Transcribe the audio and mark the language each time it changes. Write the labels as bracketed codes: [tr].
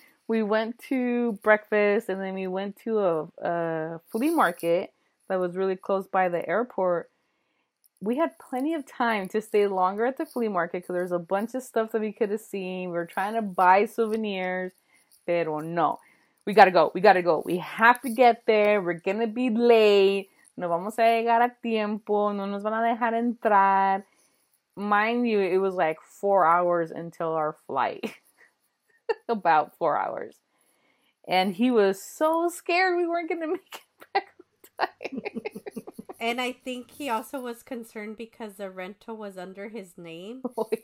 [en] We went to breakfast, and then we went to a flea market that was really close by the airport. We had plenty of time to stay longer at the flea market, because there's a bunch of stuff that we could have seen. We were trying to buy souvenirs, [es] pero no. [en] We got to go. We got to go. We have to get there. We're going to be late. [es] No vamos a llegar a tiempo. No nos van a dejar entrar. [en] Mind you, it was like 4 hours until our flight. About 4 hours. And he was so scared we weren't going to make it back on time. And I think he also was concerned because the rental was under his name. Oh, yes.